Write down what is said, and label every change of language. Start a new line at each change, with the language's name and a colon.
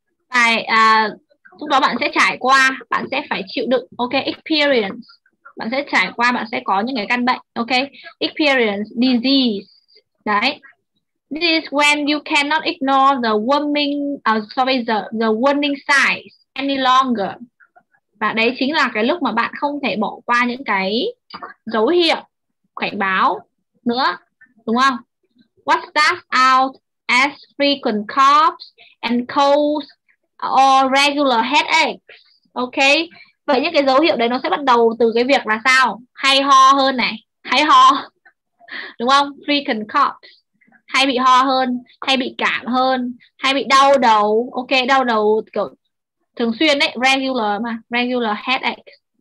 Vietnamese: Phải lúc đó bạn sẽ trải qua, bạn sẽ phải chịu đựng, ok, experience, bạn sẽ trải qua, bạn sẽ có những cái căn bệnh, ok, experience disease, đấy.
English: This is when you cannot ignore the warning, the warning signs any longer.
Vietnamese: Và đấy chính là cái lúc mà bạn không thể bỏ qua những cái dấu hiệu cảnh báo nữa, đúng không?
English: What starts out as frequent coughs and colds or regular headaches, okay?
Vietnamese: Vậy những cái dấu hiệu đấy nó sẽ bắt đầu từ cái việc là sao? Hay ho hơn này, hay ho, đúng không? Frequent coughs, hay bị ho hơn, hay bị cảm hơn, hay bị đau đầu, ok, đau đầu kiểu thường xuyên ấy, regular mà, regular headaches.